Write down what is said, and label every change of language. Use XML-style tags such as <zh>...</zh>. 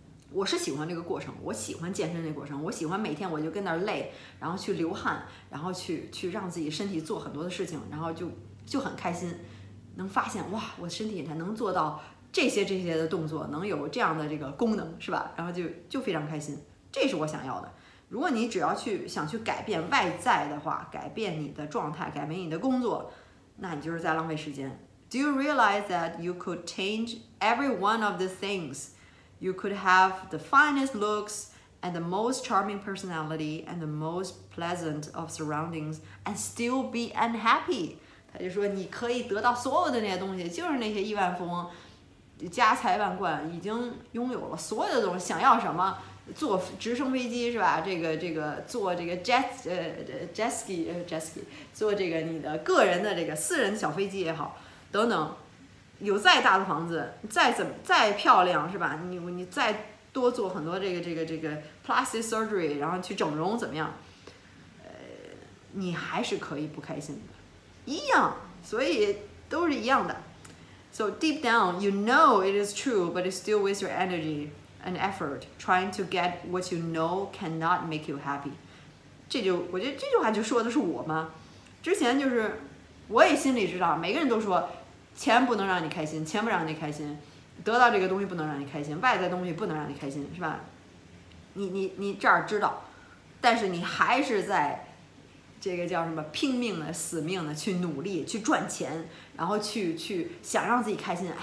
<zh>我是喜欢这个过程，我喜欢健身的过程，我喜欢每天我就跟那儿累，然后去流汗，然后去让自己身体做很多的事情，然后就很开心，能发现哇，我身体才能做到这些的动作，能有这样的这个功能，是吧？然后就非常开心，这是我想要的。如果你只要想去改变外在的话，改变你的状态，改变你的工作，那你就是在浪费时间。</zh> <en>Do you realize that you could change every one of the things? You could have the finest looks and the most charming personality and the most pleasant of surroundings and still be unhappy.</en> <zh>他就说你可以得到所有的那些东西，就是那些亿万富翁，家财万贯，已经拥有了所有的东西，想要什么？坐直升飞机是吧？这个坐这个 jet ski 坐这个你的个人的这个私人小飞机也好，等等，有再大的房子，再漂亮是吧？你再多做很多这个 plastic surgery， 然后去整容怎么样？你还是可以不开心的，一样，所以都是一样的。</zh> <en>So deep down, you know it is true, but it's still waste your energy. An effort trying to get what you know cannot make you happy.</en> <zh>我觉得这句话就说的是我吗？之前就是我也心里知道，每个人都说钱不能让你开心，钱不让你开心，得到这个东西不能让你开心，外在东西不能让你开心，是吧？你这儿知道，但是你还是在这个叫什么拼命的、死命的去努力、去赚钱，然后去想让自己开心。</zh>